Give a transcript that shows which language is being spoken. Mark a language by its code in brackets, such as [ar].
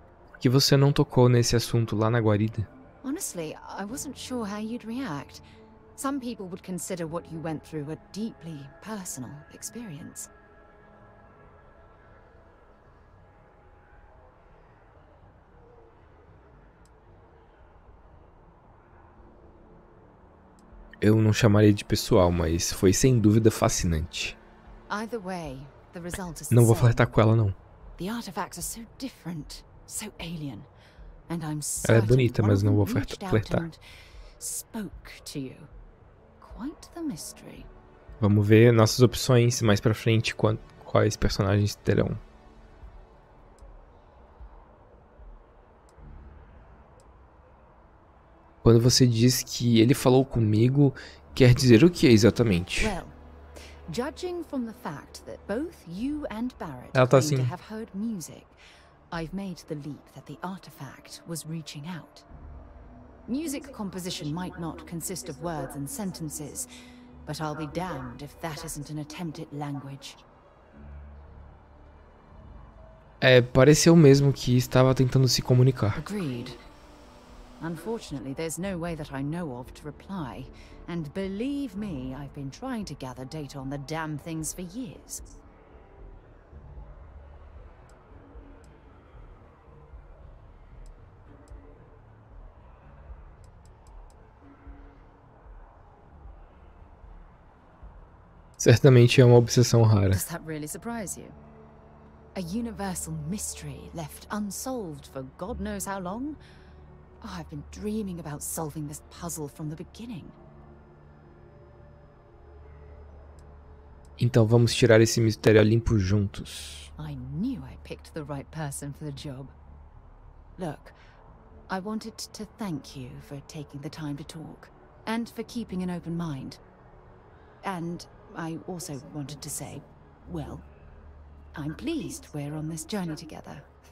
[pt] Por que você não tocou nesse assunto lá na guarida? [en] Honestly, I wasn't sure how you'd react. Some people would consider what you went through a deeply personal experience. [pt] Eu não chamaria de pessoal, mas foi sem dúvida fascinante. [en] Either way, the result is. [pt] Não vou flertar com ela, não. [en] The artifacts are so different, so alien, and I'm certain. [pt] Ela é bonita, mas não vou flertar. [en] Spoke to you. Quite the mystery. [pt] Vamos ver nossas opções mais pra frente, quais personagens terão. Quando você diz que ele falou comigo, quer dizer o que exatamente? [en] Well, judging from the fact that both you and Barrett [pt] ela tá assim. [en] To have heard music, I've made the leap that the artifact was reaching out. Music composition might not consist of words and sentences, but I'll be damned if that isn't an attempt at language. [pt] É, pareceu mesmo que estava tentando se comunicar. [en] Agreed. Unfortunately, there's no way that I know of to reply, and believe me, I've been trying to gather data on the damn things for years. [pt] Certamente é uma obsessão rara. [en] Does that really surprise you? A universal mystery left unsolved for God knows how long? Oh, I've been dreaming about solving this puzzle from the beginning. [pt] Então vamos tirar esse mistério a limpo juntos. [en] I knew I picked the right person for the job. Look, I wanted to thank you for taking the time to talk and for keeping an open mind. And I also wanted to say, well, I'm pleased we're on this journey together.